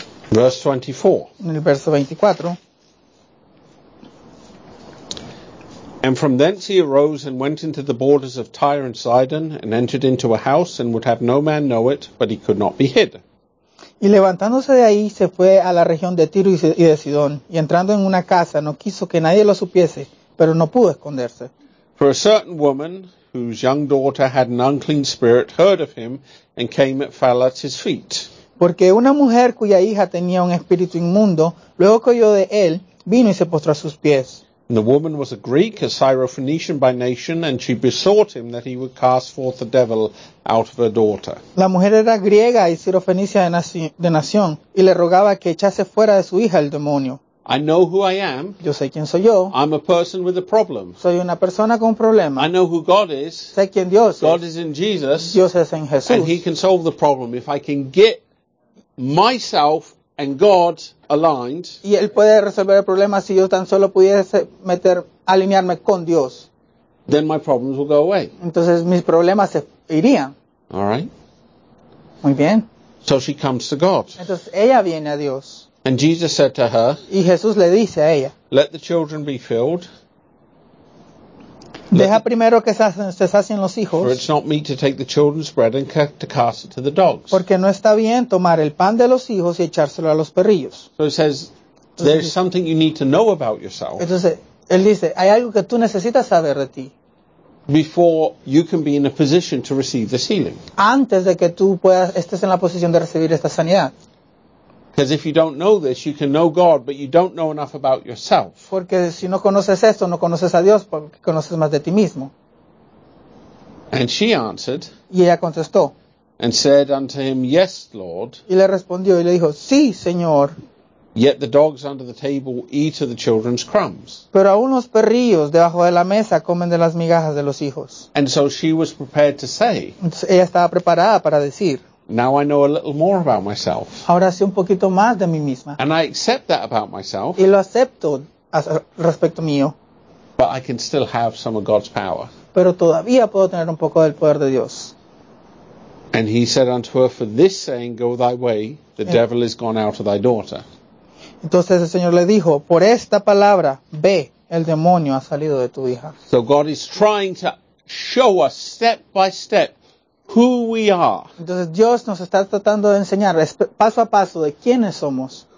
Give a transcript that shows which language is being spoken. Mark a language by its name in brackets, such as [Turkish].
[English] Verse 24. [Spanish] En el verso 24. [English] And from thence he arose and went into the borders of Tyre and Sidon, and entered into a house, and would have no man know it, but he could not be hid. [Spanish] Y levantándose de ahí, se fue a la región de Tiro y de Sidón, y entrando en una casa, no quiso que nadie lo supiese, pero no pudo esconderse. [English] For a certain woman, whose young daughter had an unclean spirit, heard of him, and came and fell at his feet. [Spanish] Porque una mujer cuya hija tenía un espíritu inmundo, luego que oyó de él, vino y se postró a sus pies. [English] And the woman was a Greek, a Syrophoenician by nation, and she besought him that he would cast forth the devil out of her daughter. [Spanish] La mujer era griega y sirofenicia de nación, y le rogaba que echase fuera de su hija el demonio. [English] I know who I am. [Spanish] Yo sé quién soy yo. [English] I'm a person with a problem. [Spanish] Soy una persona con un problema. [English] I know who God is. [Spanish] Sé quién Dios [English] God [Spanish] es. [English] Is in Jesus. [Spanish] Dios es en Jesús. [English] And he can solve the problem if I can get myself and God aligned. [Spanish] Y él puede resolver el problema si yo tan solo pudiese alinearme con Dios. [English] Then my problems will go away. [Spanish] Entonces mis problemas se irían. [English] All right. [Spanish] Muy bien. [English] So she comes to God. [Spanish] Entonces ella viene a Dios. [English] And Jesus said to her. [Spanish] Y Jesús le dice a ella. [English] Let the children be filled. [Spanish] Deja primero que se sacien los hijos. [English] For it's not meet to take the children's bread and to cast it to the dogs. [Spanish] Porque no está bien tomar el pan de los hijos y echárselo a los perrillos. [English] So it says, there's something you need to know about yourself. [Spanish] Entonces, él dice, hay algo que tú necesitas saber de ti. [English] Before you can be in a position to receive this healing. [Spanish] Antes de que tú puedas, estés en la posición de recibir esta sanidad. [English] Because if you don't know this, you can know God, but you don't know enough about yourself. [Spanish] Porque si no conoces esto, no conoces a Dios, porque conoces más de ti mismo. [English] And she answered. [Spanish] Y ella contestó. [English] And said unto him, Yes, Lord. [Spanish] Y le respondió y le dijo, Sí, Señor. [English] Yet the dogs under the table eat of the children's crumbs. [Spanish] Pero aún los perrillos debajo de la mesa comen de las migajas de los hijos. [English] And so she was prepared to say. [Spanish] Entonces ella estaba preparada para decir. [English] Now I know a little more about myself. [Spanish] Ahora sé un poquito más de mí misma. [English] And I accept that about myself. [Spanish] Y lo acepto respecto mío. [English] But I can still have some of God's power. [Spanish] Pero todavía puedo tener un poco del poder de Dios. [English] And he said unto her, For this saying, go thy way, the devil is gone out of thy daughter. [Spanish] Entonces el Señor le dijo, Por esta palabra, ve, el demonio ha salido de tu hija. [English] So God is trying to show us step by step who we are. [Spanish] Entonces Dios nos está tratando de enseñar paso a paso de quiénes somos.